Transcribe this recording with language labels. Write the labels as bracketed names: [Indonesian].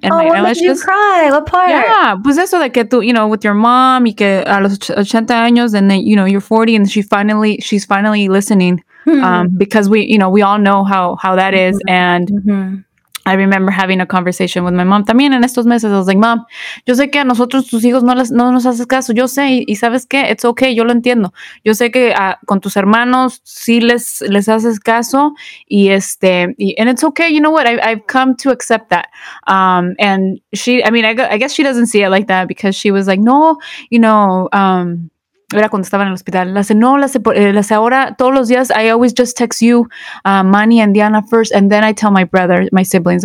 [English] And oh, my what did you cry? What part? Yeah, [Spanish] pues eso de que tú, [English] you know, with your mom, [Spanish] y que a los 80 años, [English] and then, you know, you're 40, and she's finally listening. Because we, you know, we all know how that is. Mm-hmm. And I remember having a conversation with my mom. [Spanish] También en estos meses, [English] I was like, mom, [Spanish] yo sé que a nosotros, tus hijos, no nos haces caso. Yo sé, y sabes qué, [English] it's okay, [Spanish] yo lo entiendo. Yo sé que con tus hermanos sí les haces caso. Y este, [English] and it's okay, you know what, I've come to accept that. And she, I mean, I guess she doesn't see it like that because she was like, no, you know, [Spanish] era cuando estaba en el hospital. La hace ahora todos los días. [English] I always just text you, Manny and Diana first, and then I tell my brother, my siblings.